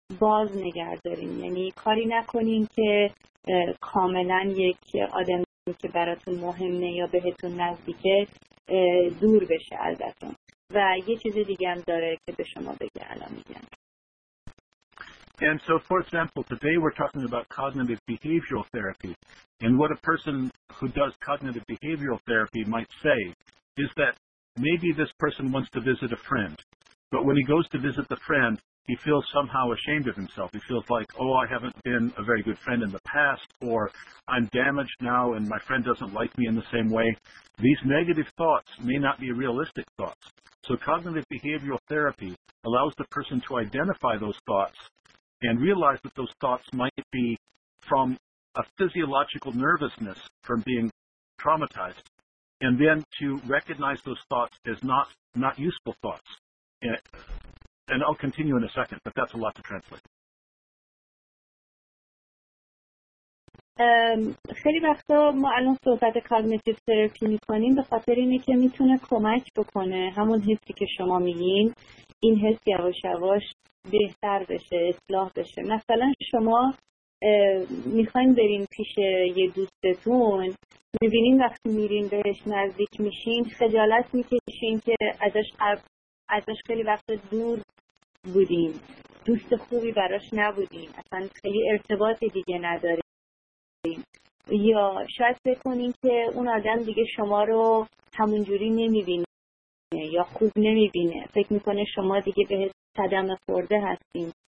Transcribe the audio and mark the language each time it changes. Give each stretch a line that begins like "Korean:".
Persian: باز نگه داریم، یعنی کاری نکنیم که کاملا یک آدمی که براتون مهمه یا بهتون نزدیکه دور بشه ازتون. و یه چیز دیگه هم داره که به شما بگه الان میگم.
English: And so, for example, today we're talking about cognitive behavioral therapy. And what a person who does cognitive behavioral therapy might say is that maybe this person wants to visit a friend. But when he goes to visit the friend, he feels somehow ashamed of himself. He feels like, oh, I haven't been a very good friend in the past, or I'm damaged now and my friend doesn't like me in the same way. These negative thoughts may not be realistic thoughts. So cognitive behavioral therapy allows the person to identify those thoughts and realize that those thoughts might be from a physiological nervousness from being traumatized, and then to recognize those thoughts as not useful thoughts. And I'll continue in a second, but that's a lot to translate.
Persian: خیلی وقتا ما الان صحبت کاگنیتیو تراپی میکنیم به خاطر اینه که میتونه کمک بکنه همون حسی که شما میگین این حس یواش یواش بهتر بشه، اصلاح بشه. مثلا شما میخواین بریم پیش یه دوستتون، میبینین وقتی میرین بهش نزدیک میشین خجالت میکشین که ازش خیلی وقت دور بودین، دوست خوبی براش نبودین، اصلا خیلی ارتباط دیگه نداره، یا شاید بکنین که اون آدم دیگه شما رو همونجوری نمیبینه یا خوب نمیبینه، فکر میکنه شما دیگه به صدمه خورده هستین.